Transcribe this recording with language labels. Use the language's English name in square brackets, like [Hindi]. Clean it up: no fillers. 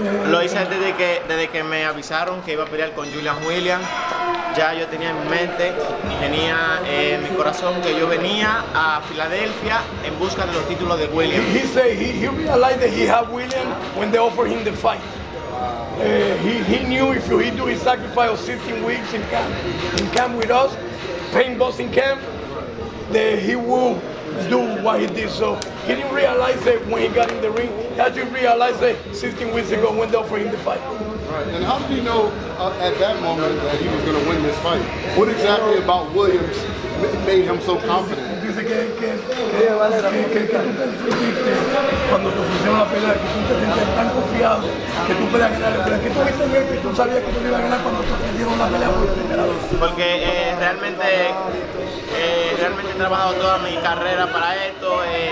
[Spanish] Lo hice desde que me avisaron que iba a pelear con Julian Williams. Ya yo tenía en mente, tenía en mi corazón que yo venía a Filadelfia en busca de los títulos de Williams. [English] He realized that he had Williams when they offered him the fight. He knew if he do his sacrifice of 16 weeks in camp with us, pain busting camp, that he will do what he did. So he didn't realize that when he got in the ring. How did you realize that 16 weeks ago when they offered him the fight? Right. And how did he know at that moment that he was going to win this fight? What exactly about Williams made him so confident? [Spanish] Cuando te ofrecieron la pelea, que tú te sientes tan confiado que tú puedas ganar, pero que tú viste bien, que tú sabías que tú ibas a ganar cuando te ofrecieron la pelea por primera vez. Porque realmente he trabajado toda mi carrera para esto.